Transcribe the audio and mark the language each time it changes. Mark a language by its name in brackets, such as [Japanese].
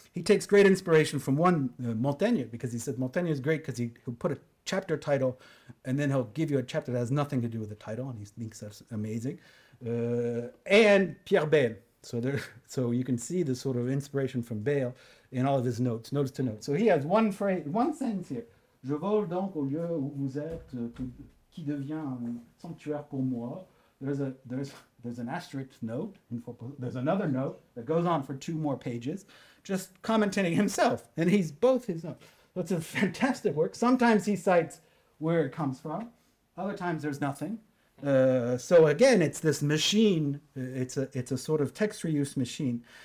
[English] He takes great inspiration from one, Montaigne, because he said Montaigne is great because he'll put a chapter title and then he'll give you a chapter that has nothing to do with the title, and he thinks that's amazing. And Pierre Bayle. So you can see the sort of inspiration from Bayle in all of his notes, notes to notes. So he has one phrase, one sentence here. [French] Je vole donc au lieu où vous êtes, qui devient un sanctuaire pour moi. [English] There's an asterisk note. There's another note that goes on for two more pages, just commenting himself. And he's both his own. So it's a fantastic work. Sometimes he cites where it comes from. Other times there's nothing. So again, it's this machine, it's a sort of text reuse machine.